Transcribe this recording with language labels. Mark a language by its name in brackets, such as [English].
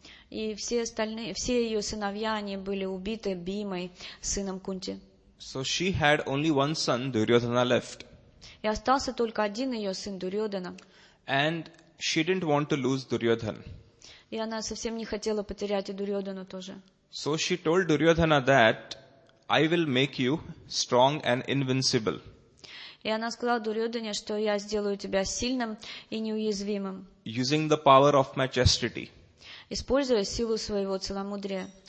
[Russian] И все остальные, все ее сыновья, они были убиты Бхимой, сыном Кунти. [English] So she had only one son, Duryodhana, left. [Russian] И остался только один ее сын Дурьодхана. [English] And she didn't want to lose Duryodhan. [Russian] И она совсем не хотела потерять и Дурьодхана тоже. [English] So she told Duryodhana that I will make you strong and invincible. [Russian] И она сказала Дурьодхане, что я сделаю тебя сильным и неуязвимым. [English] Using the power of my chastity. [Russian] Используя силу своего целомудрия.